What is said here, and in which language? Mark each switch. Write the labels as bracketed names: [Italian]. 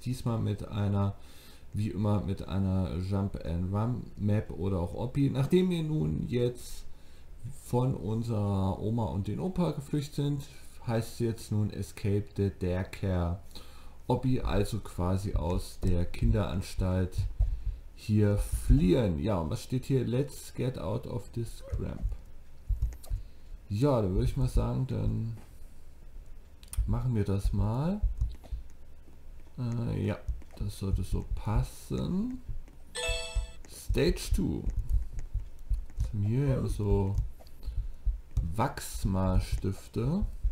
[German] Diesmal mit einer, wie immer, mit einer Jump and Run Map oder auch Oppi. Nachdem wir nun jetzt von unserer Oma und den Opa geflüchtet sind, heißt jetzt nun Escape the Dare Care Oppi, also quasi aus der Kinderanstalt hier fliehen. Ja, und was steht hier? [English] Let's get out of this cramp. [German] Ja, da würde ich mal sagen, dann machen wir das mal. Ja, das sollte so passen. Stage 2. Hier haben wir so Wachsmalstifte.